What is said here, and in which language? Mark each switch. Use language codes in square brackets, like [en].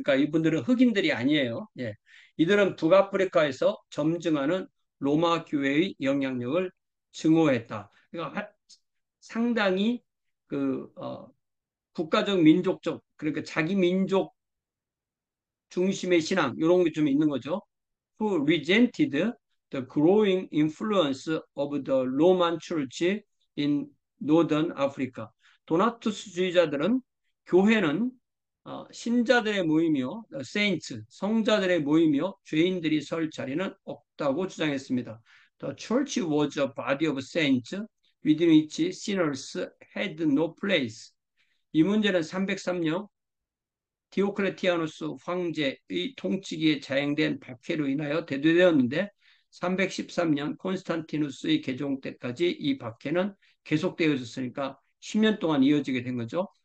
[ko] 그러니까 이분들은 흑인들이 아니에요. 예. 이들은 북아프리카에서 점증하는 로마 교회의 영향력을 증오했다. 그러니까 상당히 국가적 민족적 그러니까 자기 민족 중심의 신앙 이런 게좀 있는 거죠. [en] Who resented the growing influence of the Roman Church in Northern Africa. [ko] 도나투스 주의자들은 교회는 신자들의 모임이요, saints, 성자들의 모임이요, 죄인들이 설 자리는 없다고 주장했습니다. [en] The church was a body of saints within which sinners had no place. [ko] 이 문제는 303년 디오클레티아누스 황제의 통치기에 자행된 박해로 인하여 대두되었는데, 313년 콘스탄티누스의 개종 때까지 이 박해는 계속되어졌으니까 10년 동안 이어지게 된 거죠.